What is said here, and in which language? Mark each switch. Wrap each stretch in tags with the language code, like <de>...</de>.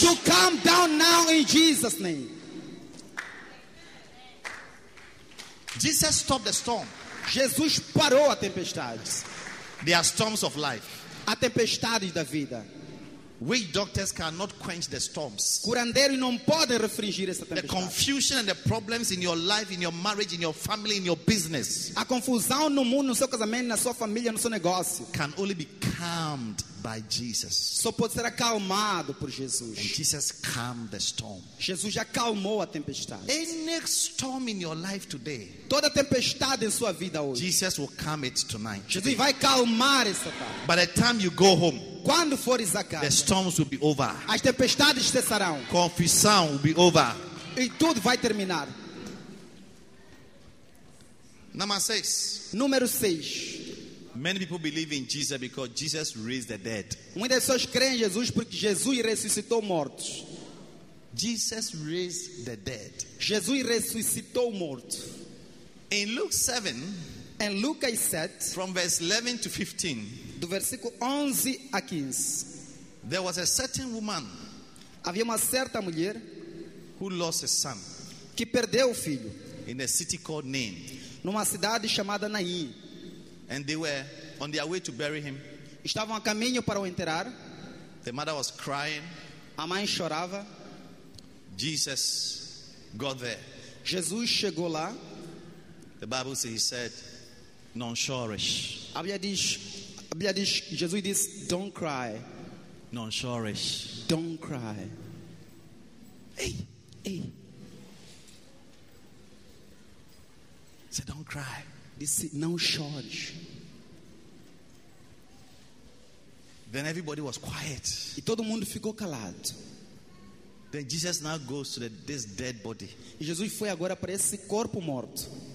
<en>To calm down now in Jesus' name. Jesus stopped the storm.</en> <pt>Jesus parou a tempestade.</pt> <en>There are storms of life.</en> <pt>A tempestade da vida.</pt> <en>We doctors cannot quench the storms.</en> <pt>Curandeiro não pode refrigir essa tempestade.</pt> <en>The confusion and the problems in your life, in your marriage, in your family, in your business.</en> <pt>A confusão no mundo, no seu casamento, na sua família, no seu negócio.</pt> <en>Can only be calmed by Jesus.</en> <pt>Só pode ser acalmado por Jesus.</pt> <en>And Jesus calmed the storm.</en> <pt>Jesus já acalmou a tempestade.</pt> <en>Any storm in your life today.</en> <pt>Toda tempestade em sua vida hoje.</pt> <en>Jesus will calm it tonight.</en> <pt>Jesus vai acalmar essa tarde.</pt> <en>By the time you go home.</en> <pt>Quando fores a casa,</pt> <en>the storms will be over.</en> <pt>As tempestades cessarão.</pt> <en>Confissão will be over.</en> <pt>E tudo vai terminar.</pt> <en>Number 6.</en> <pt>Número 6.</pt> <en>Many people believe in Jesus because Jesus raised the dead.</en> <pt>Muitas pessoas creem em Jesus porque Jesus ressuscitou mortos.</pt> <en>Jesus raised the dead.</en> <pt>Jesus ressuscitou mortos.</pt> <en>In Luke 7, and Luke 7, from verse 11 to 15.</en> <pt>Do versículo 11 a 15.</pt> <en>There was a certain woman.</en> <pt>Havia uma certa mulher.</pt> <en>Who lost a son.</en> <pt>Que perdeu o filho.</pt> <en>In a city called Nain.</en> <pt>Numa cidade chamada Nain.</pt> <en>And they were on their way to bury him.</en> <pt>Estavam a caminho para o enterrar.</pt> <en>The mother was crying.</en> <pt>A mãe chorava.</pt> <en>Jesus got there.</en> <pt>Jesus chegou lá.</pt> <en>The Bible says he said,</en> <pt>"Não chores." A Bíblia diz, Jesus diz,</pt> <en>don't cry.</en> <pt>Não chores.</pt> <en>Don't cry. Ei, ei. Say, don't cry.</en> <pt>Disse, não chores.</pt> <en>Then everybody was quiet.</en> <pt>E todo mundo ficou calado.</pt> <en>Then Jesus now goes to this dead body.</en> <pt>E Jesus foi agora para esse corpo morto.</pt>